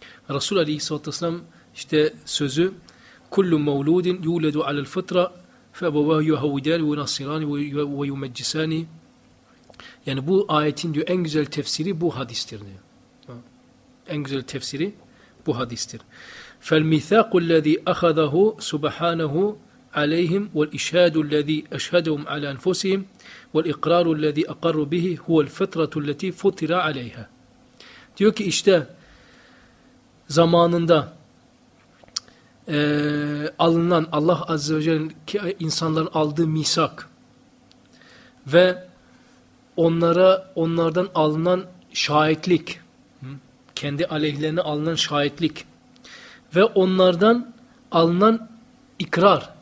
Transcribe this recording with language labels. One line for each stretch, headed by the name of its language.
Turkish: Resul Aleyhisselatü Vesselam işte sözü
Arabic: كُلُّ مَوْلُودٍ يُولَدُ عَلَى الْفِطْرَةِ فَبَوَهُ يُهَوْدَانِ وَنَصِرَانِ وَيُمَجِّسَانِ
Turkish: Yani bu ayetin diyor en güzel tefsiri bu hadistir diyor. En güzel tefsiri bu hadistir.
Arabic: فالميثاق الذي أخذه سبحانه عليهم والإشهاد الذي أشهدهم على أنفسهم والإقرار الذي أقر به هو الفطرة التي فطر عليها.
Turkish: Diyor ki işte zamanında alınan Allah Azze ve Celle'nin insanların aldığı misak ve onlardan alınan şahitlik, kendi aleyhlerine alınan şahitlik ve onlardan alınan ikrar.